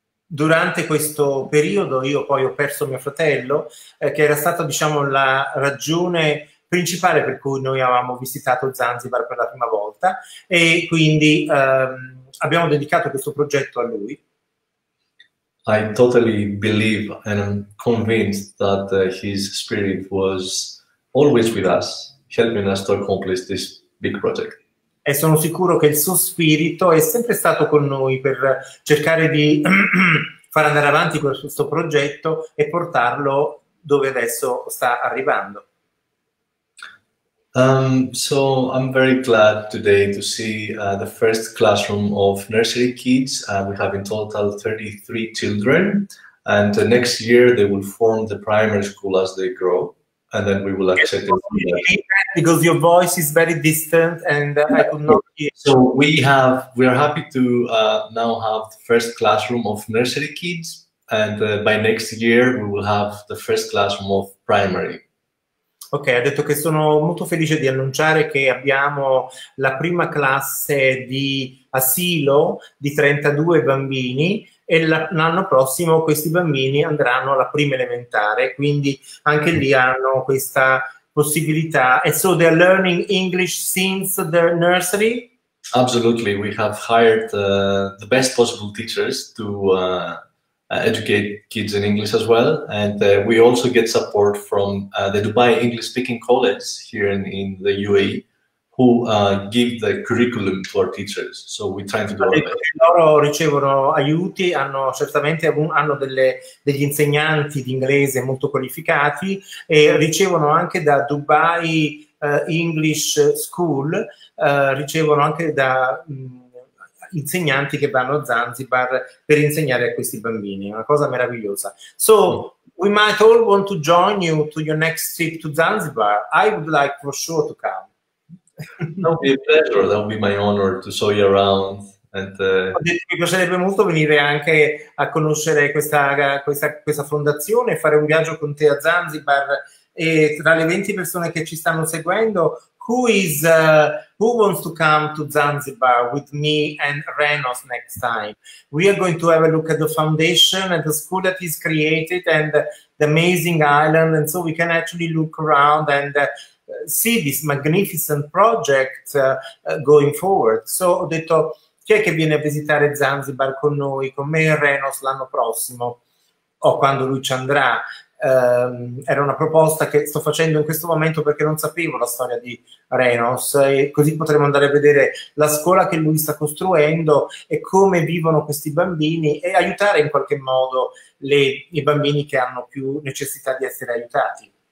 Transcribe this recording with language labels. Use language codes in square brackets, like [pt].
[it] Durante questo periodo io poi ho perso mio fratello, che era stata, diciamo, la ragione principale per cui noi avevamo visitato Zanzibar per la prima volta, e quindi abbiamo dedicato questo progetto a lui. [en] I totally believe and I'm convinced that his spirit was always with us, helping us to accomplish this big project. [it] E sono sicuro che il suo spirito è sempre stato con noi per cercare di far andare avanti questo progetto e portarlo dove adesso sta arrivando. [en] So I'm very glad today to see the first classroom of nursery kids. We have in total 33 children, and next year they will form the primary school as they grow. And then we will accept it. Because your voice is very distant and I could not hear. So we are happy to now have the first classroom of nursery kids, and by next year we will have the first classroom of primary. [it] Ok, ha detto che sono molto felice di annunciare che abbiamo la prima classe di asilo di 32 bambini. E l'anno prossimo questi bambini andranno alla prima elementare, quindi anche lì hanno questa possibilità. [en] And so they're learning English since the nursery? Absolutely. We have hired the best possible teachers to educate kids in English as well. And we also get support from the Dubai English Speaking College here in the UAE, who give the curriculum to our teachers. So we're trying to do our best. [it] Loro ricevono aiuti, hanno degli insegnanti di inglese molto qualificati, e ricevono anche da Dubai English School, ricevono anche da insegnanti che vanno a Zanzibar per insegnare a questi bambini, una cosa meravigliosa. [en] So we might all want to join you to your next trip to Zanzibar. I would like for sure to come. No, it'd be a pleasure. That would be my honor to show you around. And, [it] ho detto che mi piacerebbe molto venire anche a conoscere questa fondazione e fare un viaggio con te a Zanzibar. E tra le 20 persone che ci stanno seguendo, [en] who wants to come to Zanzibar with me and Renos next time? We are going to have a look at the foundation and the school that is created and the amazing island, and so we can actually look around and see this magnificent project going forward. [it] So ho detto, chi è che viene a visitare Zanzibar con noi, con me e Renos l'anno prossimo o quando lui ci andrà? Era una proposta che sto facendo in questo momento perché non sapevo la storia di Renos, e così potremo andare a vedere la scuola che lui sta costruendo e come vivono questi bambini e aiutare in qualche modo i bambini che hanno più necessità di essere aiutati.